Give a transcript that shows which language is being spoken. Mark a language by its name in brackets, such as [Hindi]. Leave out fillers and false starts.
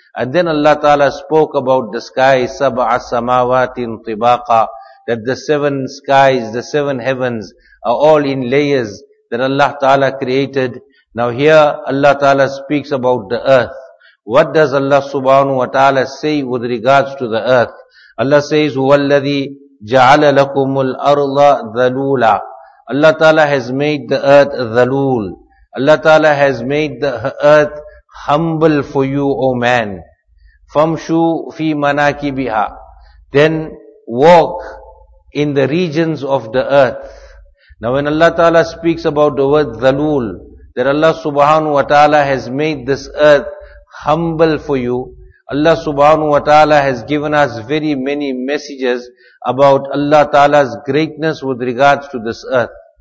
[English] And then Allah Ta'ala spoke about the sky, [Arabic] سَبْعَ سَمَاوَاتٍ طِبَاقًا, [English] that the seven skies, the seven heavens are all in layers that Allah Ta'ala created. Now here Allah Ta'ala speaks about the earth. What does Allah subhanahu wa ta'ala say with regards to the earth? Allah says, [Arabic] وَالَّذِي جَعَلَ لَكُمُ الْأَرْضَ ذَلُولًا. [English] Allah Ta'ala has made the earth ذَلُول. Allah Ta'ala has made the earth humble for you, O man. [Arabic] فَمْشُوا فِي مَنَاكِبِهَا. [English] Then walk in the regions of the earth. Now when Allah Ta'ala speaks about the word Dhalul, that Allah Subhanahu wa Ta'ala has made this earth humble for you, Allah Subhanahu wa Ta'ala has given us very many messages about Allah Ta'ala's greatness with regards to this earth.